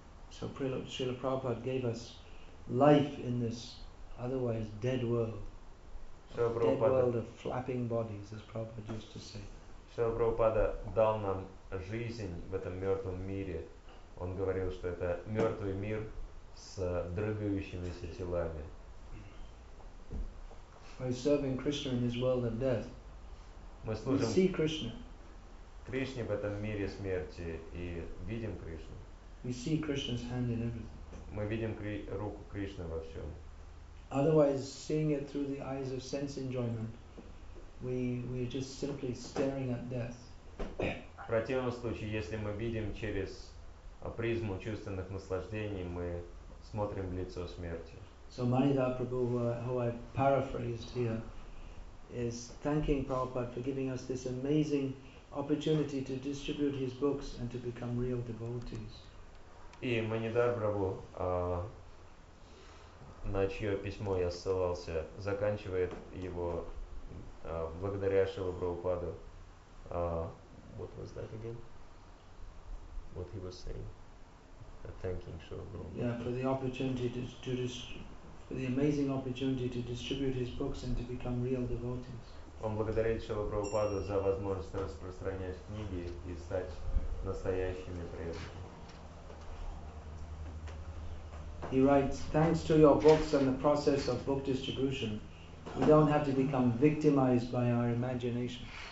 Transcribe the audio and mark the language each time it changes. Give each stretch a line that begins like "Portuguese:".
English: So Srila Prabhupada gave us life in this otherwise dead world. Dead world of flapping bodies, as Prabhupada used to say.
Russian: Шрила Прабхупада дал нам жизнь в этом мертвом мире. Он говорил, что это мертвый мир с дрыгающимися телами.
English: By serving Krishna in this world of death,
Russian: мы служим
English: we see Krishna.
Russian: Кришне в этом мире смерти и видим Кришну.
English: We see Krishna's hand in everything.
Russian: Мы видим руку Кришны во всем.
English: Otherwise, seeing it through the eyes of sense enjoyment, we are just simply staring at death.
Russian: В противном случае, если мы видим через призму чувственных наслаждений, мы смотрим в лицо смерти.
English: So Manidhar Prabhu, who I paraphrased here, is thanking Prabhupada for giving us this amazing opportunity to distribute his books and to become real devotees.
Russian: И Манидар Прабху, на чье письмо я ссылался, заканчивает его благодаря Шрила Прабхупаду.
English: What was that again? what he was saying, thanking Srila Prabhupada. Yeah, for the opportunity for the amazing opportunity to distribute his books and to become real devotees.
Russian: Он благодарит Шрилу Прабхупаду за возможность распространять книги и стать настоящими преданными.
English: He writes, thanks to your books and the process of book distribution, we don't have to become victimized by our imagination.